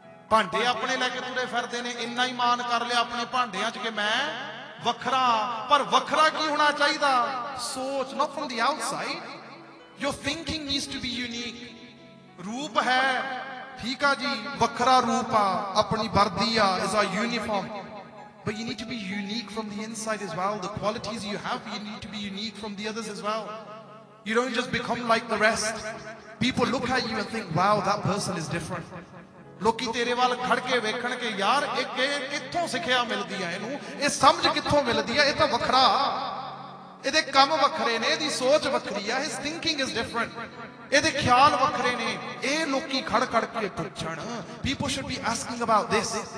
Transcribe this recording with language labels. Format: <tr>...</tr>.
<pa>ਭਾਂਡੇ ਆਪਣੇ ਲੈ ਕੇ ਤੁਰੇ ਫਿਰਦੇ ਨੇ ਇੰਨਾ ਹੀ ਮਾਣ ਕਰ ਲਿਆ ਆਪਣੇ ਭਾਂਡਿਆਂ 'ਚ ਕਿ ਮੈਂ ਵੱਖਰਾ ਪਰ ਵੱਖਰਾ ਕੀ ਹੋਣਾ ਚਾਹੀਦਾ ਸੋਚ ਨਾ</pa> <en>from the outside your thinking needs to be unique</en> <pa>ਰੂਪ ਹੈ ਠੀਕ ਆ ਜੀ ਵੱਖਰਾ ਰੂਪ ਆ ਆਪਣੀ ਵਰਦੀ ਆ</pa> <en>Is a uniform But you need to be unique from the inside as well. The qualities you have, you need to be unique from the others as well. You don't just become like the rest. People look at you and think, wow, that person is different.</en> <pa>ਲੋਕੀ ਤੇਰੇ ਵੱਲ ਖੜ ਕੇ ਵੇਖਣ ਕੇ ਯਾਰ ਇਹ ਕਿੱਥੋਂ ਸਿੱਖਿਆ ਮਿਲਦੀ ਆ ਇਹਨੂੰ ਇਹ ਸਮਝ ਕਿੱਥੋਂ ਮਿਲਦੀ ਆ ਇਹ ਤਾਂ ਵੱਖਰਾ ਇਹਦੇ ਕੰਮ ਵੱਖਰੇ ਨੇ ਇਹਦੀ ਸੋਚ ਵੱਖਰੀ ਆ</pa> <en>his thinking is different</en> <pa>ਇਹਦੇ ਖਿਆਲ ਵੱਖਰੇ ਨੇ ਇਹ ਲੋਕੀ ਖੜ ਖੜ ਕੇ ਪੁੱਛਣ</pa> <en>people should be asking about this</en>